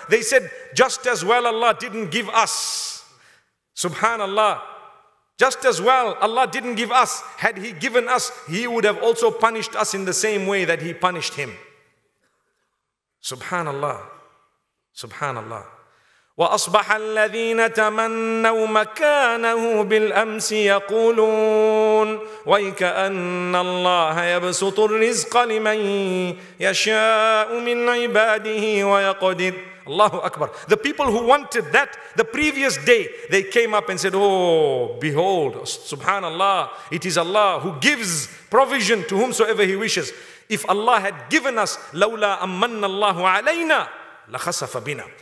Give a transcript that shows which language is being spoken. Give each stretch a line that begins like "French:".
English: They said, just as well Allah didn't give us. Subhanallah. Just as well, Allah didn't give us. Had he given us, he would have also punished us in the same way that he punished him. Subhanallah. Subhanallah.
Arabic: وأصبح الذين تمنوا مكانه بالأمس يقولون ويكأن الله يبسط الرزق لمن يشاء من عباده ويقدر. Allahu Akbar.
English: The people who wanted that the previous day, they came up and said, oh, behold, subhanallah, it is Allah who gives provision to whomsoever he wishes. If Allah had given us,
Arabic: لَوْلَا أَمَّنَّ اللَّهُ عَلَيْنَا لَخَسَفَ بِنَا.